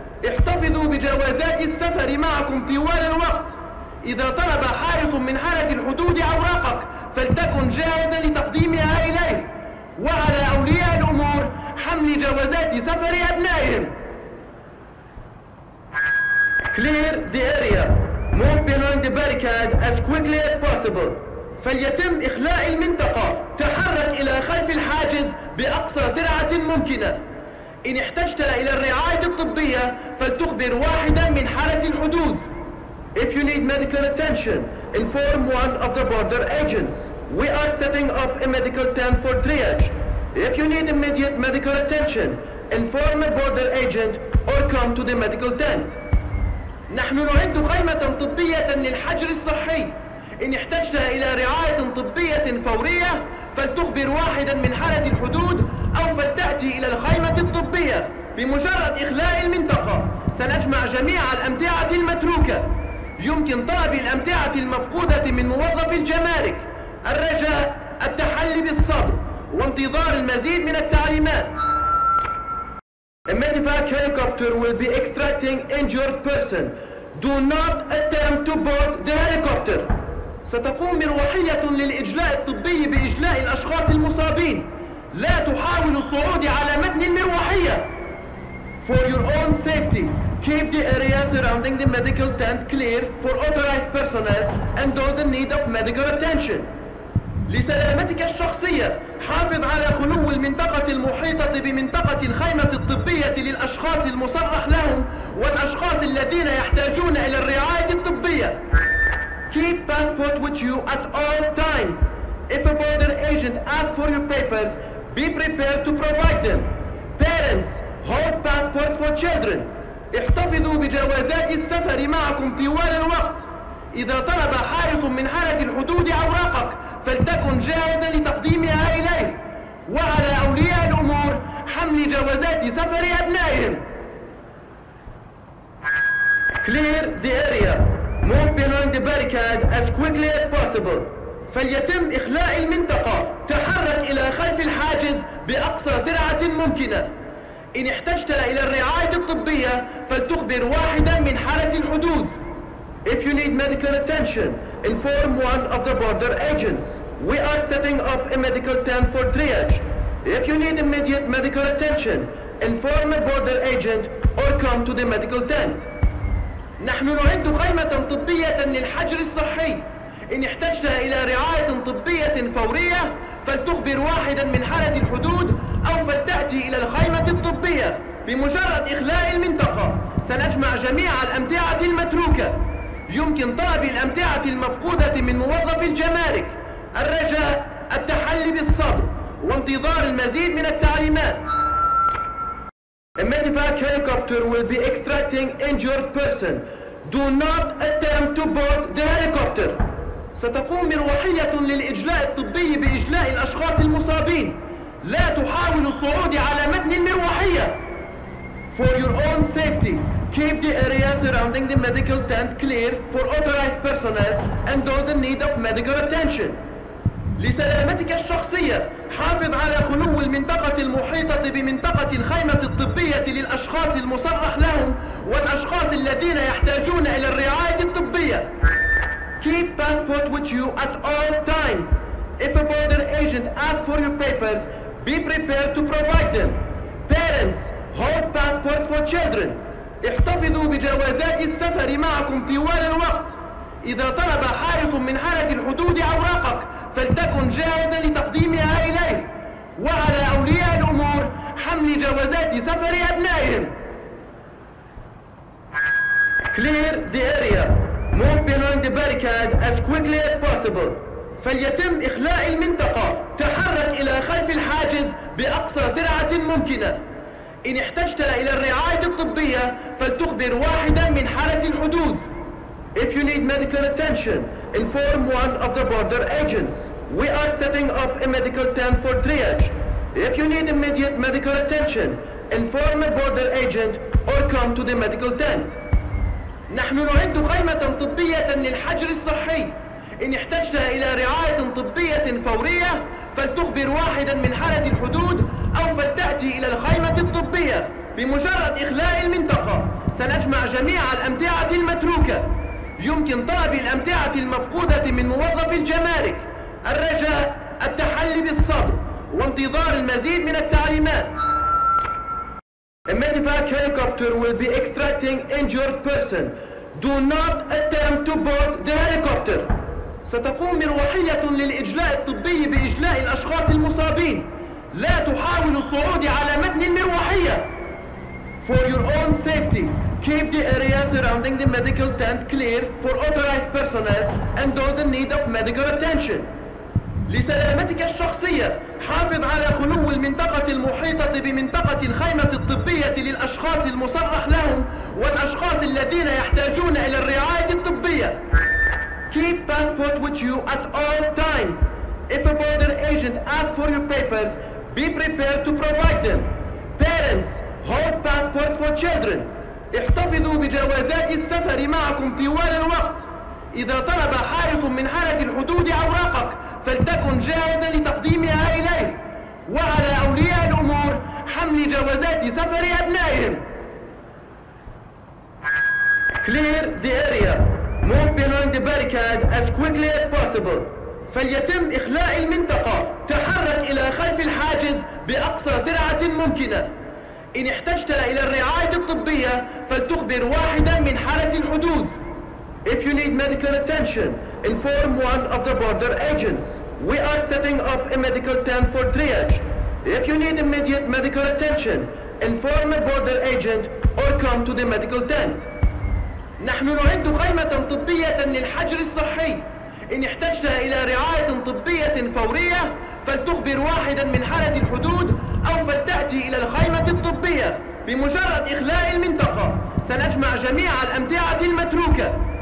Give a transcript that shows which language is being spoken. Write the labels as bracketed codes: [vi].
[ar] احتفظوا بجوازات السفر معكم طوال الوقت. إذا طلب حارس من حرس الحدود أوراقك، فلتكن جاهزا لتقديمها إليه. وعلى أولياء الأمور حمل جوازات سفر أبنائهم. [en] Clear the area. Move behind the barricade as quickly as possible. [ar] فليتم إخلاء المنطقة. تحرك إلى خلف الحاجز بأقصى سرعة ممكنة. إن احتجت إلى الرعاية الطبية فلتخبر واحدا من حرس الحدود. [en] If you need medical attention, inform one of the border agents. We are setting up a medical tent for triage. If you need immediate medical attention, inform a border agent or come to the medical tent. [ar] نحن نعد خيمة طبية للحجر الصحي. إن احتجت إلى رعاية طبية فورية فلتخبر واحدا من حرس الحدود أو فلتأتي إلى الخيمة الطبية. بمجرد إخلاء المنطقة سنجمع جميع الأمتعة المتروكة. يمكن طلب الأمتعة المفقودة من موظف الجمارك. الرجاء التحلي بالصبر وانتظار المزيد من التعليمات. [en] A medevac helicopter will be extracting injured person. Do not attempt to board the helicopter. [ar] ستقوم مروحية للإجلاء الطبي بإجلاء الأشخاص المصابين. لا تحاول الصعود على متن المروحية. [en] For your own safety, keep the area surrounding the medical tent clear for authorized personnel and those in need of medical attention. [ar] لسلامتك الشخصية، حافظ على خلو المنطقة المحيطة بمنطقة الخيمة الطبية للأشخاص المصرح لهم والأشخاص الذين يحتاجون إلى الرعاية الطبية. [en] Keep passport with you at all times. If a border agent asks for your papers, be prepared to provide them. Parents, hold passport for children. [ar] احتفظوا بجوازات السفر معكم طوال الوقت. إذا طلب حارس من حرس الحدود أوراقك، فلتكن جاهزا لتقديمها إليه. وعلى أولياء الأمور حمل جوازات سفر أبنائهم. [en] Clear the area. Move behind the barricade as quickly as possible. [ar] فليتم إخلاء المنطقة. تحرك إلى خلف الحاجز بأقصى سرعة ممكنة. إن احتجت إلى الرعاية الطبية فلتخبر واحدا من حرس الحدود. [en] If you need medical attention, inform one of the border agents. We are setting up a medical tent for triage. If you need immediate medical attention, inform a border agent or come to the medical tent. [ar] نحن نعد خيمة طبية للحجر الصحي. إن احتجت إلى رعاية طبية فورية فلتخبر واحدا من حرس الحدود أو فلتأتي إلى الخيمة الطبية. بمجرد إخلاء المنطقة سنجمع جميع الأمتعة المتروكة. يمكن طلب الأمتعة المفقودة من موظف الجمارك. الرجاء التحلي بالصبر وانتظار المزيد من التعليمات. [en] A medevac helicopter will be extracting injured person. Do not attempt to board the helicopter. [ar] ستقوم مروحية للإجلاء الطبي بإجلاء الأشخاص المصابين. لا تحاول الصعود على متن المروحية. [en] For your own safety, keep the area surrounding the medical tent clear for authorized personnel and those in need of medical attention. [ar] لسلامتك الشخصية، حافظ على خلو المنطقة المحيطة بمنطقة الخيمة الطبية للأشخاص المصرح لهم والأشخاص الذين يحتاجون إلى الرعاية الطبية. [en] Keep passport with you at all times. If a border agent asks for your papers, be prepared to provide them. Parents, hold passport for children. [ar] احتفظوا بجوازات السفر معكم طوال الوقت. إذا طلب حارس من حرس الحدود أوراقك، فلتكن جاهزا لتقديمها إليه. وعلى أولياء الأمور حمل جوازات سفر أبنائهم. [en] Clear the area. Move behind the barricade as quickly as possible. [ar] فليتم إخلاء المنطقة. تحرك إلى خلف الحاجز بأقصى سرعة ممكنة. إن احتجت إلى الرعاية الطبية فلتخبر واحدا من حرس الحدود. [en] If you need medical attention, inform one of the border agents. We are setting up a medical tent for triage. If you need immediate medical attention, inform a border agent or come to the medical tent. [ar] نحن نعد خيمة طبية للحجر الصحي. إن احتجت إلى رعاية طبية فورية فلتخبر واحدا من حرس الحدود أو فلتأتي إلى الخيمة الطبية. بمجرد إخلاء المنطقة سنجمع جميع الأمتعة المتروكة. يمكن طلب الأمتعة المفقودة من موظف الجمارك. الرجاء التحلي بالصبر وانتظار المزيد من التعليمات. [en] A medevac helicopter will be extracting injured person. Do not attempt to board the helicopter. [ar] ستقوم مروحية للإجلاء الطبي بإجلاء الأشخاص المصابين. لا تحاول الصعود على متن المروحية. [en] For your own safety, keep the area surrounding the medical tent clear for authorized personnel and those in need of medical attention. [ar] لسلامتك الشخصية، حافظ على خلو المنطقة المحيطة بمنطقة الخيمة الطبية للأشخاص المصرح لهم والأشخاص الذين يحتاجون إلى الرعاية الطبية. [en] Keep passport with you at all times. If a border agent asks for your papers, be prepared to provide them. Parents, hold passport for children. [ar] احتفظوا بجوازات السفر معكم طوال الوقت. إذا طلب حارس من حرس الحدود أوراقك فلتكن جاهزا لتقديمها إليه. وعلى أولياء الأمور حمل جوازات سفر أبنائهم. [en] Clear the area. Move behind the barricade as quickly as possible. [ar] فليتم إخلاء المنطقة. تحرك إلى خلف الحاجز بأقصى سرعة ممكنة. إن احتجت إلى الرعاية الطبية فلتخبر واحدا من حرس الحدود. [en] If you need medical attention, inform one of the border agents. We are setting up a medical tent for triage. If you need immediate medical attention, inform a border agent or come to the medical tent. [ar] نحن نعد خيمة طبية للحجر الصحي. إن احتجت إلى رعاية طبية فورية فلتخبر واحدا من حرس الحدود أو فلتأتي إلى الخيمة الطبية. بمجرد إخلاء المنطقة سنجمع جميع الأمتعة المتروكة.